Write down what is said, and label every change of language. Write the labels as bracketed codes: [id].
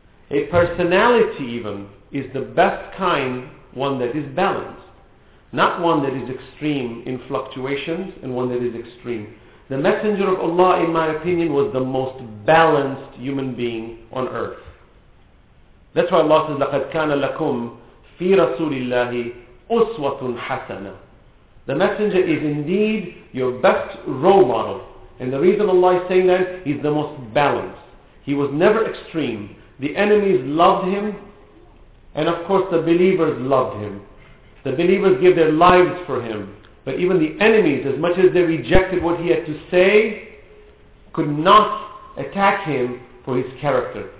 [en] A personality even is the best kind, one that is balanced, not one that is extreme in fluctuations and one that is extreme. The Messenger of Allah, in my opinion, was the most balanced human being on earth. That's why Allah says, [ar] لَقَدْ كَانَ لَكُمْ فِي رَسُولِ اللَّهِ أُسْوَةٌ حَسَنَةٌ. [en] The Messenger is indeed your best role model. And the reason Allah is saying that, he's the most balanced. He was never extreme. The enemies loved him, and of course the believers loved him. The believers gave their lives for him. But even the enemies, as much as they rejected what he had to say, could not attack him for his character.